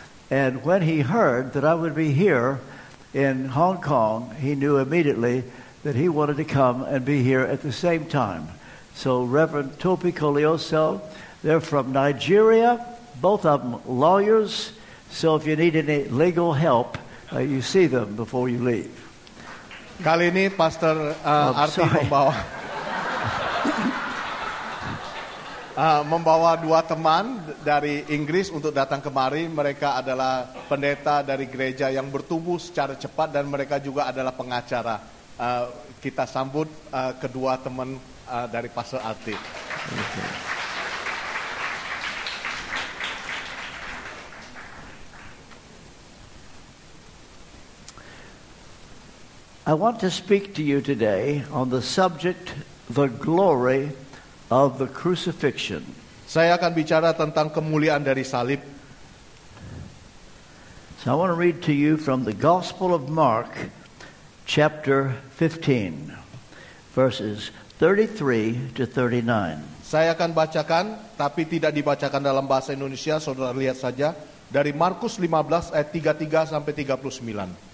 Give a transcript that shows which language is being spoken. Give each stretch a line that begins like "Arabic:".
English: And when he heard that I would be here in Hong Kong, he knew immediately that he wanted to come and be here at the same time. So Reverend Topi Colioso, they're from Nigeria, both of them lawyers. So if you need any legal help, you see them before you leave.
Indonesian: Kali ini Pastor Arti membawa dua teman dari Inggris untuk datang kemari. Mereka adalah pendeta dari gereja yang bertumbuh secara cepat, dan mereka juga adalah pengacara. Kita sambut kedua teman dari Pastor Arti.
English: I want to speak to you today on the subject, the glory of the crucifixion.
Indonesian: Saya akan bicara tentang kemuliaan dari salib.
English: So I want to read to you from the Gospel of Mark, chapter 15, verses 33 to 39.
Indonesian: Saya akan bacakan, tapi tidak dibacakan dalam bahasa Indonesia, saudara lihat saja, dari Markus 15, ayat 33 sampai 39.